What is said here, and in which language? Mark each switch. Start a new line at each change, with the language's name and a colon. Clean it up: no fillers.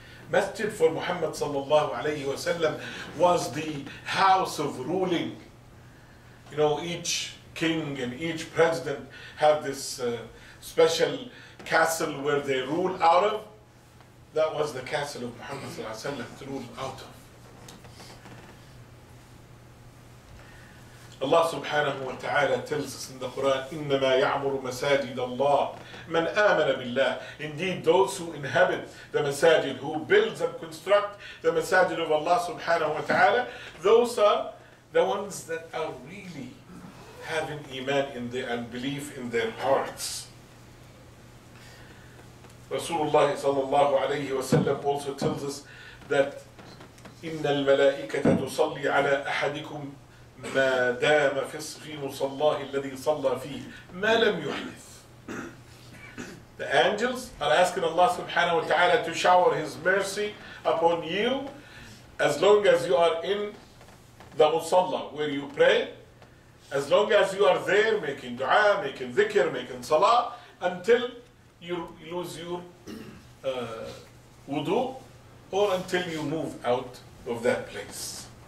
English: Masjid for Muhammad sallallahu alayhi wa sallam was the house of ruling. You know, each king and each president have this special castle where they rule out of. That was the castle of Muhammad sallallahu alayhi wa sallam to rule out of.
Arabic: الله سبحانه وتعالى
English: tells in the Quran,
Arabic: إنما يعمر مساجد الله من آمن بالله.
English: Indeed, those who inhabit the masajid, who builds and construct the masajid of Allah subhanahu wa ta'ala, those are the ones that are really having iman in the and belief in their hearts. Rasulullah sallallahu alayhi wa sallam also tells us that
Arabic: إن الملائكة تصلي على أحدكم ما دام في مصلاه الذي صلى فيه ما لم يحدث.
English: The angels are asking Allah subhanahu wa ta'ala to shower His mercy upon you as long as you are in the musalla where you pray, as long as you are there making dua, making dhikr, making salah, until you lose your wudu or until you move out of that place.